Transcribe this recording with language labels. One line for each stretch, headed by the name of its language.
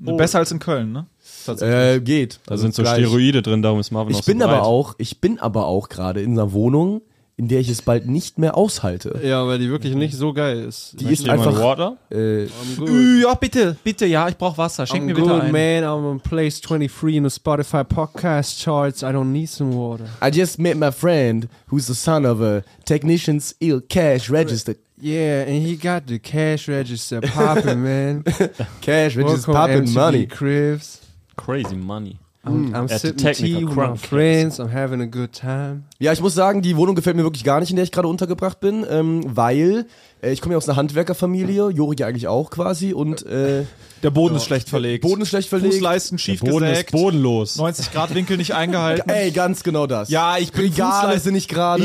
German: Oh. Besser als in Köln, ne? Geht. Da sind so Steroide drin, darum ist Marvin auch so breit. Ich bin aber auch gerade in einer Wohnung, in der ich es bald nicht mehr aushalte. Ja, weil die wirklich nicht so geil ist. Die ist einfach...
English: Water?
German: Ja, bitte, bitte, ja, ich brauche Wasser. Schenk mir bitte ein.
English: I'm good, man. I'm on place 23 in the Spotify podcast charts. I don't need some water. I just met my friend, who's the son of a technician's ill cash register. Yeah, and he got the cash register popping, man. Cash register popping money. Cribs. Crazy money. I'm sitting tea with my friends, I'm having a good time.
German: Ja, ich muss sagen, die Wohnung gefällt mir wirklich gar nicht, in der ich gerade untergebracht bin, weil ich komme ja aus einer Handwerkerfamilie, Jorik ja eigentlich auch quasi und der Boden ist schlecht verlegt. Boden ist schlecht verlegt. Fußleisten schief gesägt. Boden gesägt, ist bodenlos. 90 Grad Winkel nicht eingehalten. Ey, ganz genau das. Ja, ich bin Fußleisten nicht gerade.